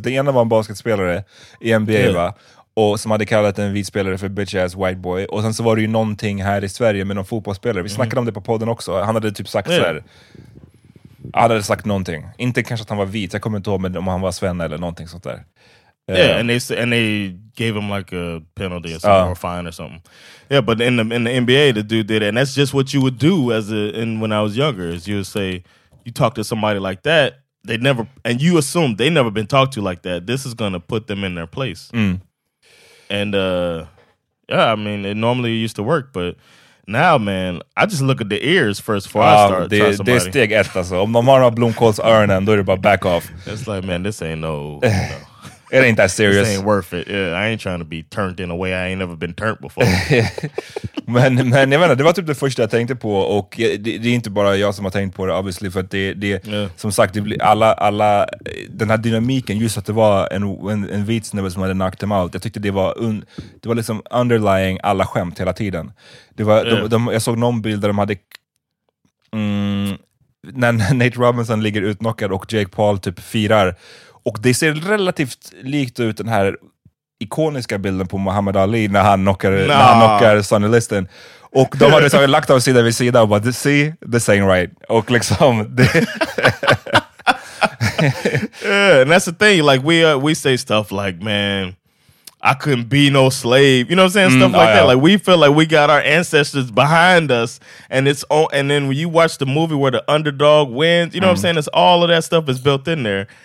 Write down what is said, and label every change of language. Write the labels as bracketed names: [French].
[Swedish] Det ena var en basketspelare i NBA, va? Och som hade kallat en vit spelare för bitch ass white boy. Och sen så var det ju någonting här i Sverige med någon fotbollsspelare. Vi snackade om det på podden också. Han hade typ sagt så här. Han hade sagt någonting. Inte kanske att han var vit. Jag kommer inte ihåg om han var svenne eller någonting sånt där. [English] And they gave him like a penalty or something or fine or something. Yeah, but in the NBA the dude did it. And that's just what you would do when I was younger. Is you would say, you talk to somebody like that. They never, and you assume they never been talked to like that. This is gonna put them in their place. Mm. And, yeah, I mean, it normally used to work, but now, man, I just look at the ears first before I start trying somebody. [Swedish] Det är steg ett, alltså. Om man har Blomkåls öronen, då är det bara back off. [English] It's like, man, this ain't no... It ain't that serious. This ain't worth it. Yeah, I ain't trying to be turned in a way I ain't never been turned before. [Swedish] men jag menar, det var typ det första jag tänkte på. Och det är inte bara jag som har tänkt på det, obviously. För att det som sagt, det blir alla den här dynamiken, just att det var en vit snubbe som hade [English] knocked him out. [Swedish] Jag tyckte det var liksom underlying alla skämt hela tiden. Det var, jag såg någon bild där de hade... när Nate Robinson ligger utknockad och Jake Paul typ firar. Och det ser relativt likt ut den här ikoniska bilden på Muhammad Ali när han knockar, när han knockar Sonny Liston. Och de hade liksom lagt av sida vid sida och bara, [English] see, the same right. [Swedish] Och liksom... [English] Yeah, and that's the thing, like we say stuff like, man, I couldn't be no slave. You know what I'm saying? Stuff like that. Like we feel like we got our ancestors behind us, and it's all, and then when you watch the movie where the underdog wins, you know what I'm saying? It's all of that stuff is built in there.